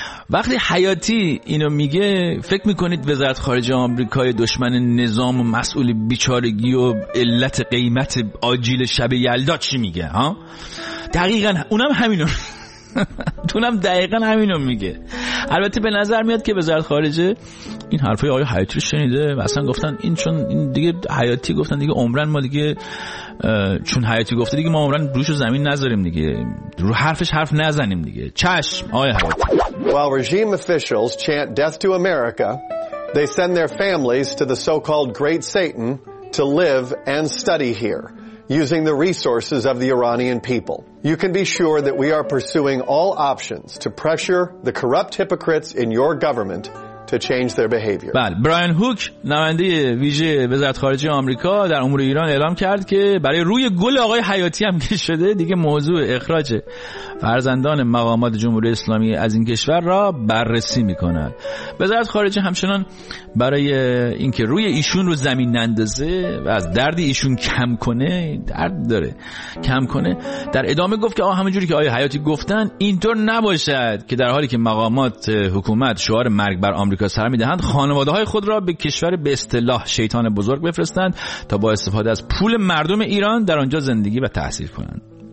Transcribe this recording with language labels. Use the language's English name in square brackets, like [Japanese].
[Persian] وقتی حیاتی اینو میگه فکر میکنید وزارت خارجه آمریکای دشمن نظام و مسئول بیچارگی و علت قیمت آجیل شب یلدا چی میگه؟ ها دقیقا اونم همینو تونم دقیقا همینو میگه. البته به نظر میاد که وزارت خارجه این حرفای آقای حیاتی رو شنیده و اصلا گفتن این چون این دیگه حیاتی گفتن دیگه عمرن ما دیگه چون حیاتی گفته دیگه ما عمرن روش زمین نذاریم دیگه، رو حرفش حرف نزنیم دیگه. چشم آقای حیاتی. [English] While regime officials chant death to America, they send their families to the so-called Great Satan to live and study here, using the resources of the Iranian people. You can be sure that we are pursuing all options to pressure the corrupt hypocrites in your government to change their behavior. [Persian] بله، براین هوک نماینده ویژه وزارت خارجه آمریکا در امور ایران اعلام کرد که برای روی گل آقای حیاتی هم که شده دیگه موضوع اخراج فرزندان مقامات جمهوری اسلامی از این کشور را بررسی می‌کند. وزارت خارجه همچنان برای اینکه روی ایشون رو زمین نندازه و از درد ایشون کم کنه، درد داره کم کنه، در ادامه گفت که همونجوری که آقای حیاتی گفتن اینطور نباشد که در حالی که مقامات حکومت شعار مرگ بر آمریکا سر می‌دهند، خانواده های خود را به کشور به اصطلاح شیطان بزرگ بفرستند تا با استفاده از پول مردم ایران در آنجا زندگی و تحصیل کنند.